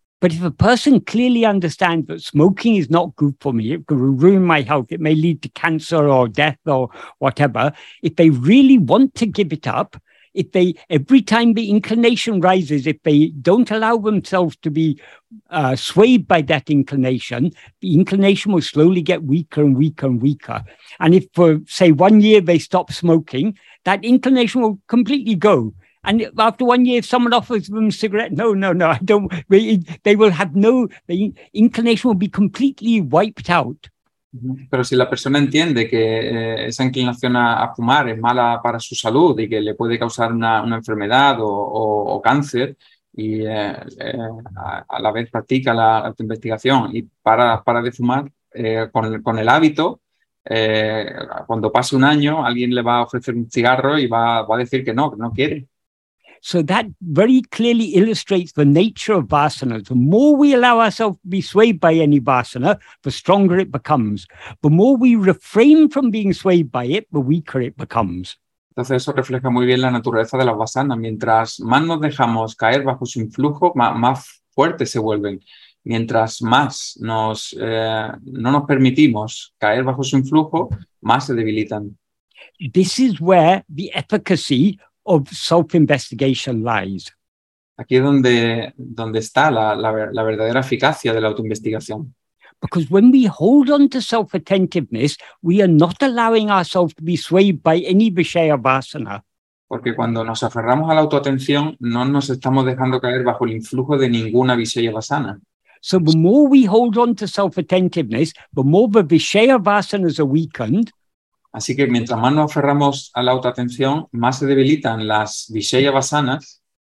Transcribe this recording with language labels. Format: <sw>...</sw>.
<en>But if a person clearly understands that smoking is not good for me, it could ruin my health, it may lead to cancer or death or whatever, if they really want to give it up, if they every time the inclination rises, if they don't allow themselves to be swayed by that inclination, the inclination will slowly get weaker and weaker and weaker. And if for say 1 year they stop smoking, that inclination will completely go. And after 1 year, if someone offers them a cigarette, no, I don't. They will have no, the inclination will be completely wiped out.</en> <es>Pero si la persona entiende que esa inclinación a fumar es mala para su salud y que le puede causar una enfermedad o cáncer, y a la vez practica la investigación y para de fumar con el hábito, cuando pase un año, alguien le va a ofrecer un cigarro y va a decir que no quiere.</es> <en>So that very clearly illustrates the nature of vasana. The more we allow ourselves to be swayed by any vasana, the stronger it becomes. The more we refrain from being swayed by it, the weaker it becomes.</en> <es>Entonces eso refleja muy bien la naturaleza de las vasanas. Mientras más nos dejamos caer bajo su influjo, más fuertes se vuelven. Mientras más no nos permitimos caer bajo su influjo, más se debilitan.</es> <en>This is where the efficacy of self-investigation lies.</en> <es>Aquí es donde está la verdadera eficacia de la autoinvestigación.</es> <en>Because when we hold on to self-attentiveness, we are not allowing ourselves to be swayed by any vishaya vasana.</en> <es>Porque cuando nos aferramos a la autoatención, no nos estamos dejando caer bajo el influjo de ninguna vishaya vasana.</es> <en>So the more we hold on to self-attentiveness, the more the vishaya vasanas are weakened.</en> <es>Así que mientras más nos aferramos a la autoatención, más se debilitan las vishaya vasanas.</es>